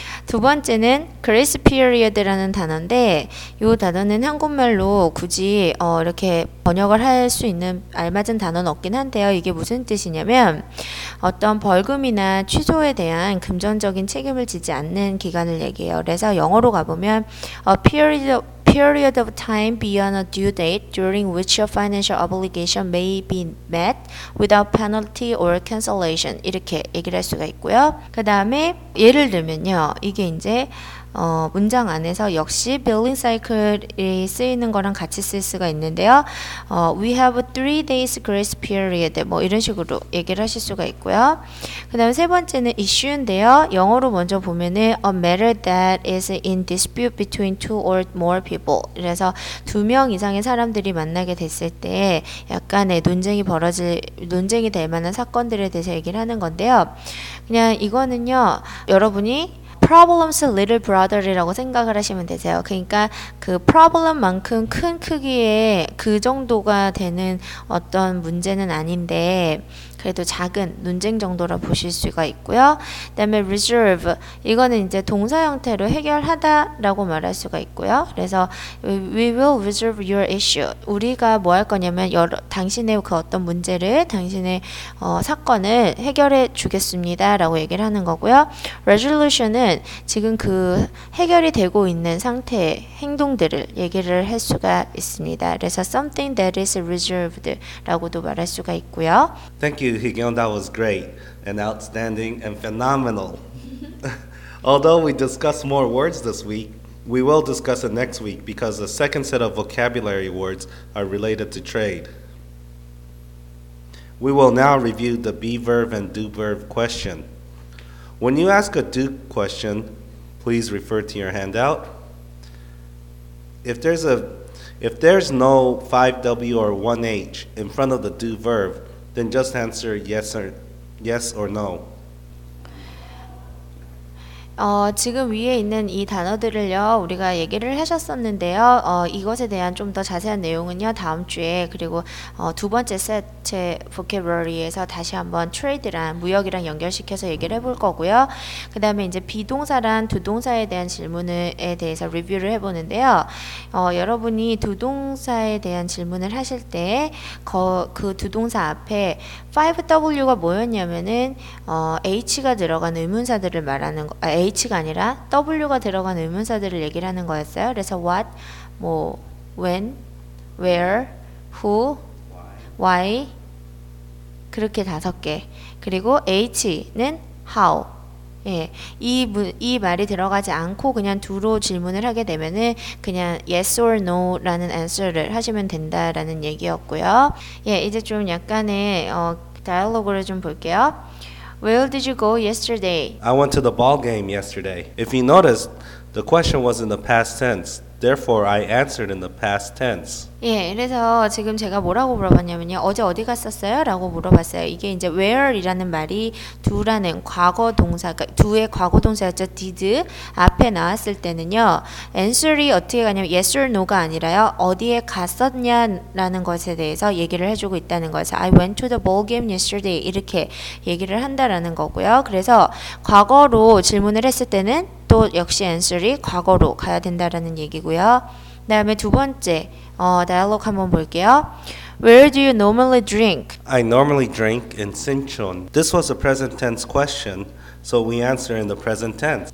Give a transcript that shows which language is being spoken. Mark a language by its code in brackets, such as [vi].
[ko] 두 번째는 grace period라는 단어인데 이 단어는 한국말로 굳이 이렇게 번역을 할 수 있는 알맞은 단어는 없긴 한데요. 이게 무슨 뜻이냐면 어떤 벌금이나 취소에 대한 금전적인 책임을 지지 않는 기간을 얘기해요. 그래서 영어로 가보면 [en] period of time beyond a due date during which your financial obligation may be met without penalty or cancellation [ko] 이렇게 얘기를 할 수가 있고요. 그 다음에 예를 들면요, 이게 이제 문장 안에서 역시 billing cycle이 쓰이는 거랑 같이 쓸 수가 있는데요. [en] We have a 3 days grace period [ko] 뭐 이런 식으로 얘기를 하실 수가 있고요. 그 다음 세 번째는 issue인데요. 영어로 먼저 보면은 [en] a matter that is in dispute between two or more people. [ko] 그래서 두 명 이상의 사람들이 만나게 됐을 때 약간의 논쟁이 될 만한 사건들에 대해서 얘기를 하는 건데요. 그냥 이거는요, 여러분이 [en] problems little brother [ko] 이라고 생각을 하시면 되세요. 그러니까 그 problem만큼 큰 크기의 그 정도가 되는 어떤 문제는 아닌데 그래도 작은 논쟁 정도라 보실 수가 있고요. 그 다음에 reserve, 이거는 이제 동사 형태로 해결하다 라고 말할 수가 있고요. 그래서 [en] we will reserve your issue, [ko] 우리가 뭐 할 거냐면 당신의 그 어떤 문제를, 당신의 사건을 해결해 주겠습니다 라고 얘기를 하는 거고요. resolution은 지금 그 해결이 되고 있는 상태, 행동들을 얘기를 할 수가 있습니다. 그래서 [en] something that is reserved [ko] 라고도 말할 수가 있고요. [en] Thank you. Thank you, Higyong. That was great and outstanding and phenomenal. Although we discussed more words this week, we will discuss it next week because the second set of vocabulary words are related to trade. We will now review the be verb and do verb question. When you ask a do question, please refer to your handout. If there's no 5W or 1H in front of the do verb, then just answer yes or no. [ko] 지금 위에 있는 이 단어들을요, 우리가 얘기를 하셨었는데요. 이것에 대한 좀 더 자세한 내용은요, 다음 주에, 그리고 두 번째 세트 vocabulary에서 다시 한번 trade랑 무역이랑 연결시켜서 얘기를 해볼 거고요. 그 다음에 이제 비동사란 두동사에 대한 질문에 대해서 리뷰를 해보는데요. 여러분이 두동사에 대한 질문을 하실 때, 그 두동사 앞에 5W가 뭐였냐면은, H가 들어간 의문사들을 말하는 거, H가 아니라 W가 들어간 의문사들을 얘기를 하는 거였어요. 그래서 what, 뭐, when, where, who, why 그렇게 다섯 개. 그리고 H는 how. 예, 이 말이 들어가지 않고 그냥 두로 질문을 하게 되면은 그냥 yes or no 라는 answer를 하시면 된다라는 얘기였고요. 예, 이제 좀 약간의 dialogue를 좀 볼게요. [en] Where did you go yesterday? I went to the ball game yesterday. If you noticed, the question was in the past tense. Therefore, I answered in the past tense. [ko] 예, 그래서 지금 제가 뭐라고 물어봤냐면요. 어제 어디 갔었어요? 라고 물어봤어요. 이게 이제 where이라는 말이 do라는 과거 동사, 두의 과거 동사였죠. did 앞에 나왔을 때는요. answer이 어떻게 가냐면 yes or no가 아니라요. 어디에 갔었냐라는 것에 대해서 얘기를 해주고 있다는 거죠. [en] I went to the ball game yesterday. [ko] 이렇게 얘기를 한다라는 거고요. 그래서 과거로 질문을 했을 때는 또 역시 answer이 과거로 가야 된다라는 얘기고요. 그 다음에 두 번째 대화록 한번 볼게요. [en] Where do you normally drink? I normally drink in Sinchon. This was a present tense question, so we answer in the present tense.